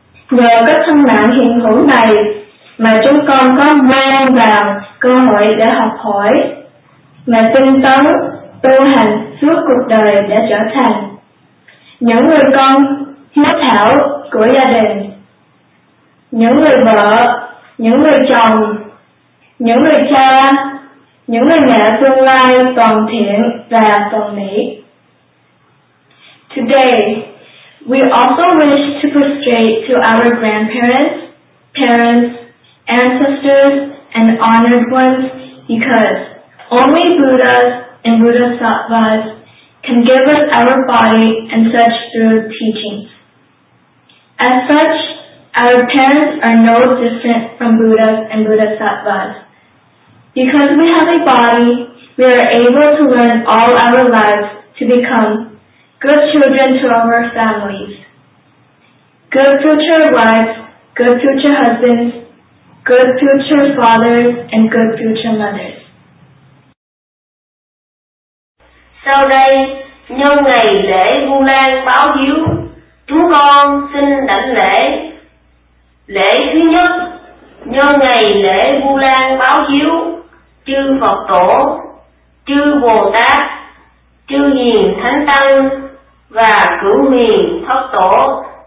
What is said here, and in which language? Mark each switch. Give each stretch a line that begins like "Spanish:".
Vietnamese: Nhờ có thân mạng hiện hữu này mà chúng con có muôn vàn cơ hội để học hỏi, mà tinh tấn tu hành suốt cuộc đời đã trở thành những người con hiếu thảo của gia đình, những người vợ, những người chồng, những người cha, những người mẹ tương lai toàn thiện và toàn mỹ.
English: Today, we also wish to prostrate to our grandparents, parents, ancestors, and honored ones because only Buddhas and Bodhisattvas can give us our body and such through teachings. As such, our parents are no different from Buddhas and Bodhisattvas. Because we have a body, we are able to learn all our lives to become good children to our families, good future wives, good future husbands, good future fathers, and good future mothers.
Vietnamese: Sau đây, nhân ngày lễ Vu Lan báo hiếu, chúng con xin đảnh lễ. Lễ thứ nhất, nhân ngày lễ Vu Lan báo hiếu, chư Phật Tổ, chư Bồ Tát, chư Hiền Thánh Tăng và cửu hiền thất tổ,